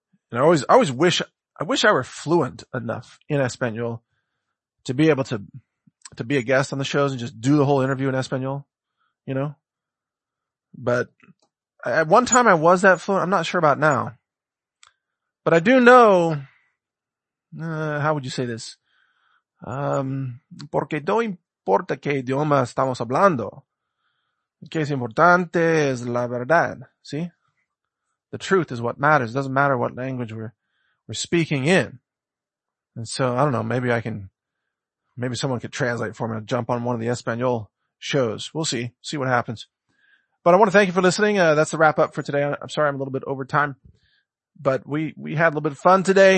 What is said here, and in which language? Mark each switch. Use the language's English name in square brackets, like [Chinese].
[English] And I always wish I were fluent enough in Espanol to be able to be a guest on the shows and just do the whole interview in Espanol, you know? But at one time I was that fluent. I'm not sure about now. But I do know, how would you say this? [Spanish] Porque no importa qué idioma estamos hablando. Que es importante es la verdad. [English] See? The truth is what matters. It doesn't matter what language we're speaking in. And so, I don't know, maybe someone could translate for me and jump on one of the Espanol shows. We'll see what happens. But I want to thank you for listening. That's the wrap up for today. I'm sorry I'm a little bit over time, but we had a little bit of fun today.